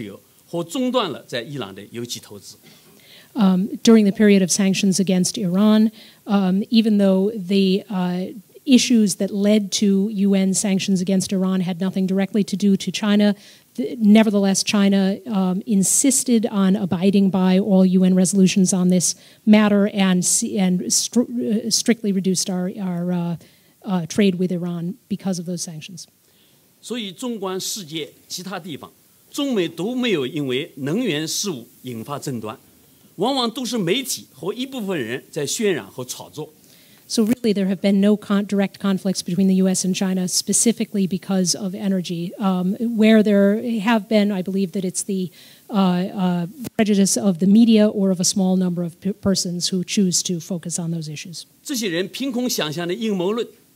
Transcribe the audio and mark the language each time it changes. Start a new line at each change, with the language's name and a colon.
Chinese: 但中国顾全大局，十分克制，严格遵守联合国的协议，减少了从伊朗进口石油，或中断了在伊朗的油气投资。
English: During the period of sanctions against Iran, even though the issues that led to UN sanctions against Iran had nothing directly to do to China, nevertheless, China insisted on abiding by all UN resolutions on this matter and strictly reduced our trade with Iran because of those sanctions.
Chinese: 所以纵观世界其他地方，中美都没有因为能源事务引发争端，往往都是媒体和一部分人在渲染和炒作。
English: So really, there have been no direct conflicts between the U.S. and China specifically because of energy. Where there have been, I believe that it's the prejudice of the media or of a small number of persons who choose to focus on those issues.
Chinese: 这些人凭空想象的阴谋论。